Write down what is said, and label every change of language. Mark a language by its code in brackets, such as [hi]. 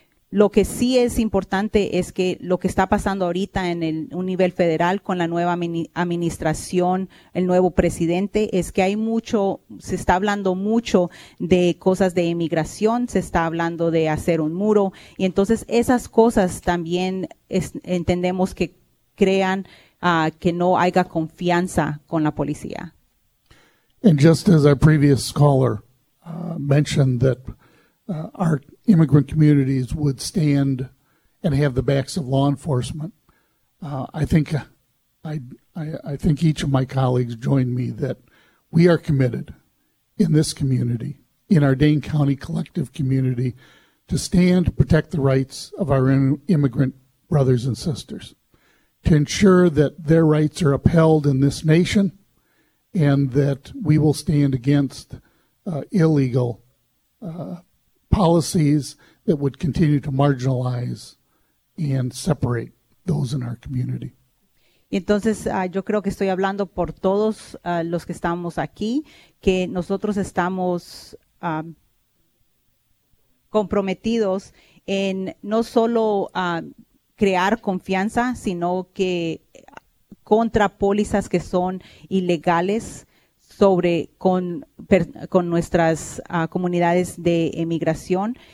[es] Lo que sí es importante es que lo que está pasando ahorita en un nivel federal con la nueva administración, el nuevo presidente, es que se está hablando mucho de cosas de inmigración, se está hablando de hacer un muro, y entonces esas cosas también entendemos que crean que no haya confianza con la policía. [en] And just as our previous caller mentioned that our immigrant communities would stand and have the backs of law enforcement, I think each of my colleagues joined me that we are committed in this community, in our Dane County collective community, to stand to protect the rights of our immigrant brothers and sisters, to ensure that their rights are upheld in this nation, and that we will stand against illegal policies that would continue to marginalize and separate those in our community. [es] Entonces, yo creo que estoy hablando por todos los que estamos aquí, que nosotros estamos comprometidos en no solo crear confianza, sino que contra pólizas que son ilegales sobre con nuestras comunidades de emigración,